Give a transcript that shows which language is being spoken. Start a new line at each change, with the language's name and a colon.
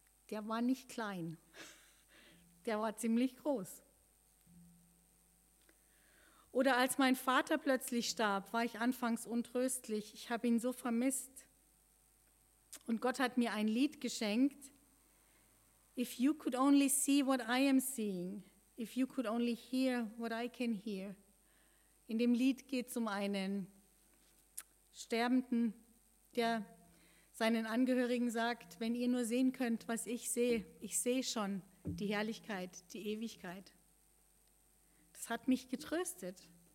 German: Der war nicht klein, der war ziemlich groß. Oder als mein Vater plötzlich starb, war ich anfangs untröstlich. Ich habe ihn so vermisst. Und Gott hat mir ein Lied geschenkt.
English: If you could only see what I am seeing, if you could only hear what I can hear.
German: In dem Lied geht es um einen Sterbenden, der seinen Angehörigen sagt: Wenn ihr nur sehen könnt, was ich sehe schon die Herrlichkeit, die Ewigkeit. Das hat mich getröstet.